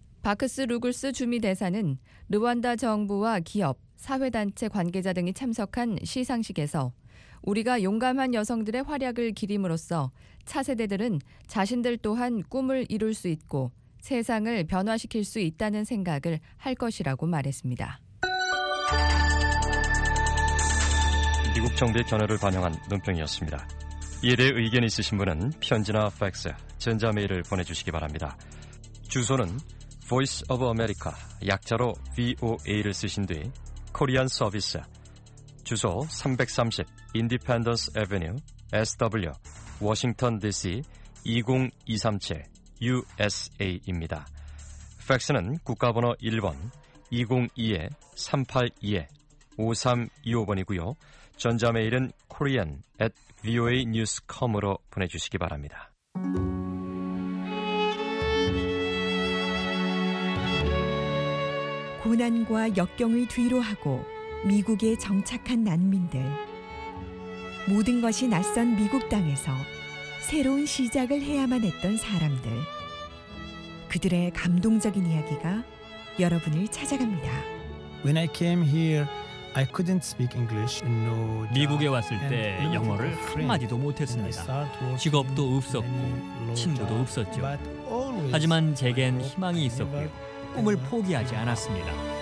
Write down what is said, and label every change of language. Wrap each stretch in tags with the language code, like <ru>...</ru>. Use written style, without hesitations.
<ko>바크스 루글스 주미대사는 르완다 정부와 기업, 사회단체 관계자 등이 참석한 시상식에서 우리가 용감한 여성들의 활약을 기림으로써 차세대들은 자신들 또한 꿈을 이룰 수 있고 세상을 변화시킬 수 있다는 생각을 할 것이라고 말했습니다. 미국 정부의 견해를 반영한 논평이었습니다. 이에 대해 의견 있으신 분은 편지나 팩스, 전자메일을 보내주시기 바랍니다. 주소는 Voice of America, 약자로 VOA를 쓰신 뒤 Korean Service, 주소 330 Independence Avenue, SW, Washington DC 20237 USA입니다. 팩스는 국가번호 1번 202-382-5325번이고요. 전자메일은 korean@voanews.com으로 보내주시기 바랍니다. 고난과 역경을 뒤로하고 미국에 정착한 난민들. 모든 것이 낯선 미국 땅에서 새로운 시작을 해야만 했던 사람들. 그들의 감동적인 이야기가 여러분을 찾아갑니다.</ko> <en>When I came here, I couldn't speak English. No,</en> <ko>미국에 왔을 때 영어를 한마디도 못했습니다. 직업도 없었고 친구도 없었죠. 하지만 제겐 희망이 있었고 꿈을 포기하지 않았습니다.</ko>